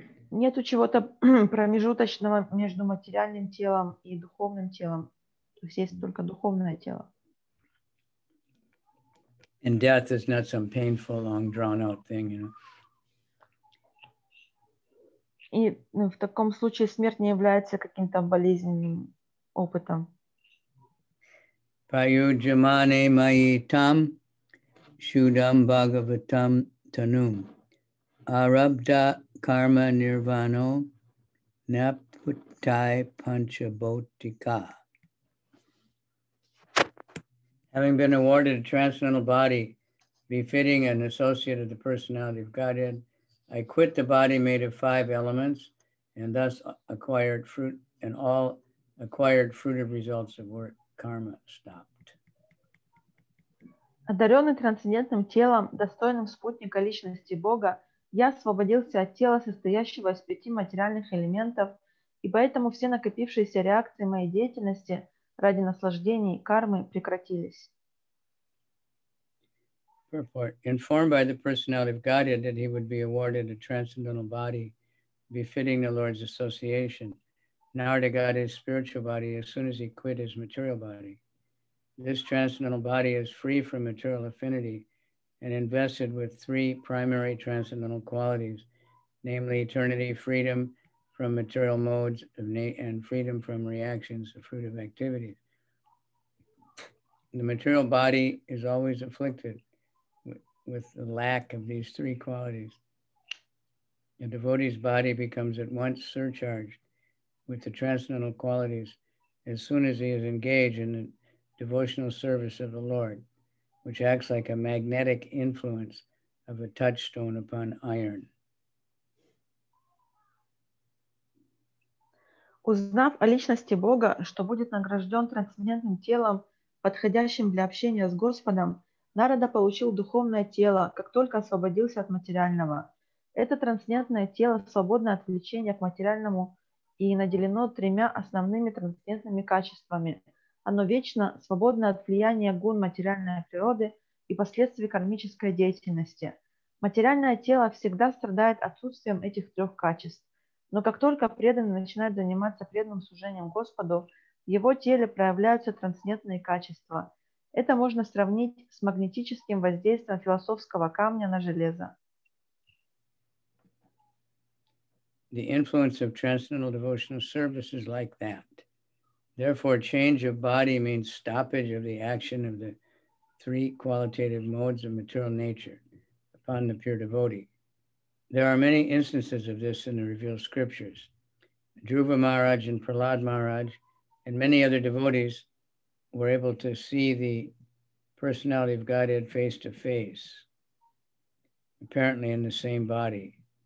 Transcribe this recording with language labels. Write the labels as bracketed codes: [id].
[ru] Нету чего-то промежуточного между материальным телом и духовным телом. То есть есть только духовное тело. [en] And death is not some painful, long, drawn-out thing, you know. [ru] И в таком случае смерть не является каким-то болезненным опытом. [sa] Паю джамане майи там шудам бхагаватам танум арабда карма нирвано напутай панчаботика. [en] Having been awarded a transcendental body befitting an associate of the personality of Godhead, I quit the body made of five elements and thus acquired fruit and all acquired fruitive results of work, karma stopped. [ru] Одаренный трансцендентным телом, достойным спутника личности Бога, я освободился от тела, состоящего из пяти материальных элементов, и поэтому все накопившиеся реакции моей деятельности ради наслаждений кармы прекратились. [en] Purport. Informed by the personality of Godhead that he would be awarded a transcendental body befitting the Lord's association, Narada got his spiritual body as soon as he quit his material body. This transcendental body is free from material affinity and invested with three primary transcendental qualities, namely eternity, freedom from material modes of and freedom from reactions, the fruit of activities. The material body is always afflicted with the lack of these three qualities. A devotee's body becomes at once surcharged with the transcendental qualities as soon as he is engaged in the devotional service of the Lord, which acts like a magnetic influence of a touchstone upon iron. [ru] Узнав о личности Бога, что будет награжден трансцендентным телом, подходящим для общения с Господом, Нарада получил духовное тело, как только освободился от материального. Это трансцендентное тело свободно от влечения к материальному и наделено тремя основными трансцендентными качествами. Оно вечно свободно от влияния гун материальной природы и последствий кармической деятельности. Материальное тело всегда страдает отсутствием этих трех качеств. Но как только преданный начинает заниматься преданным служением Господу, в его теле проявляются трансцендентные качества. Это можно сравнить с магнетическим воздействием философского камня на железо. [en] The influence of transcendental devotional service is like that. Therefore, change of body means stoppage of the action of the three qualitative modes of material nature upon the pure devotee. There are many instances of this in the revealed scriptures. Dhruva Maharaj and Prahlad Maharaj and many other devotees were able to see the personality of Godhead face to face, apparently in the same body.